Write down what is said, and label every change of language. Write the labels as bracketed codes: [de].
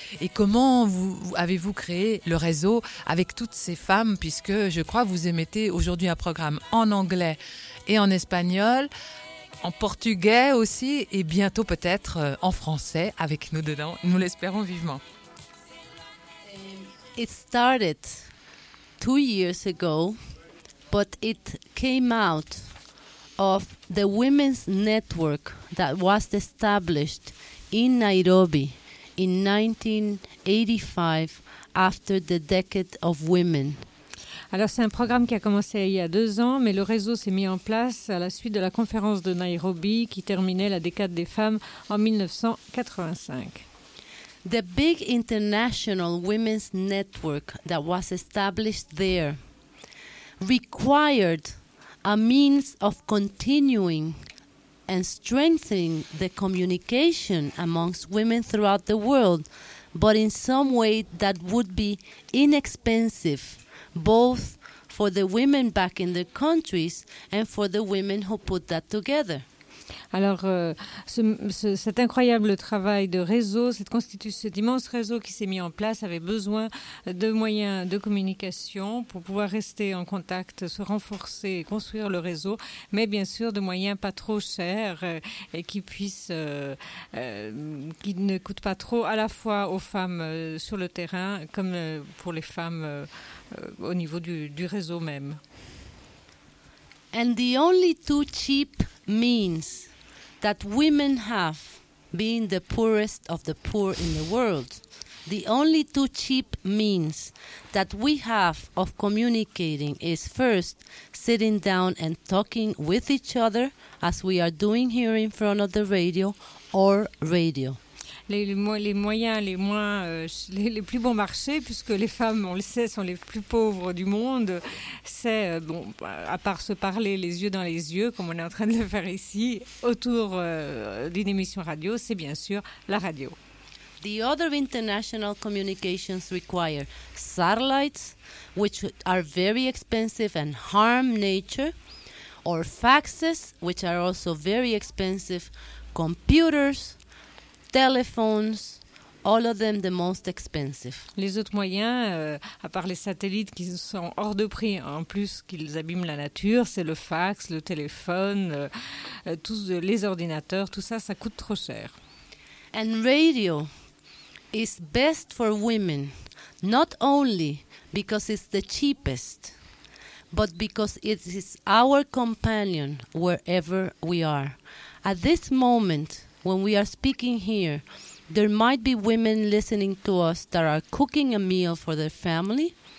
[fr] Et comment avez-vous créé le réseau avec toutes ces femmes? Puisque je crois que vous émettez aujourd'hui un programme en anglais et en espagnol, en portugais aussi, et bientôt peut-être en français avec nous dedans. Nous l'espérons vivement. [en] It started 2 years ago, but it came out of the women's network that was established in Nairobi in 1985 after the decade of women. [fr] Alors c'est un programme qui a commencé il y a 2 ans, mais le réseau s'est mis en place à la suite de la conférence de Nairobi qui terminait la décade des femmes en 1985. [en] The big international women's network that was established there required a means of continuing and strengthening the communication amongst women throughout the world, but in some way that would be inexpensive, both for the women back in their countries and for the women who put that together. [fr] Alors, cet incroyable travail de réseau, cet immense réseau qui s'est mis en place avait besoin de moyens de communication pour pouvoir rester en contact, se renforcer, construire le réseau, mais bien sûr de moyens pas trop chers et qui ne coûtent pas trop à la fois aux femmes sur le terrain comme pour les femmes au niveau du réseau même. [en] And the only two cheap means that women have, being the poorest of the poor in the world, the only two cheap means that we have of communicating is first sitting down and talking with each other, as we are doing here in front of the radio, or radio. [fr] Les moyens les plus bons marchés, puisque les femmes, on le sait, sont les plus pauvres du monde, c'est, à part se parler les yeux dans les yeux, comme on est en train de le faire ici, autour d'une émission radio, c'est bien sûr la radio. [en] The other international communications require satellites, which are very expensive and harm nature, or faxes, which are also very expensive, computers, telephones, all of them the most expensive. [fr] Les autres moyens, à part les satellites qui sont hors de prix, en plus qu'ils abîment la nature, c'est le fax, le téléphone, tous les ordinateurs, tout ça, ça coûte trop cher. [en] And radio is best for women, not only because it's the cheapest, but because it is our companion wherever we are. At this moment, when we are speaking here, there might be women listening to us that are cooking a meal for their family.